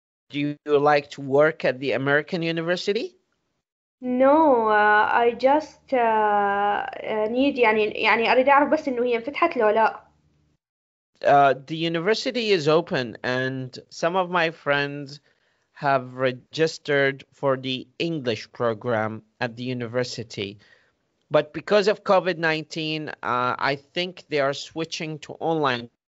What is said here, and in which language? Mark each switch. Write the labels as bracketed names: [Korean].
[English] Do you like to work at the American University? No, I just need [Arabic] يعني أريد أعرف بس إنه هي انفتحت لو لا. [English] The university is open, and some of my friends have registered for the English program at the university. But because of COVID-19, I think they are switching to online.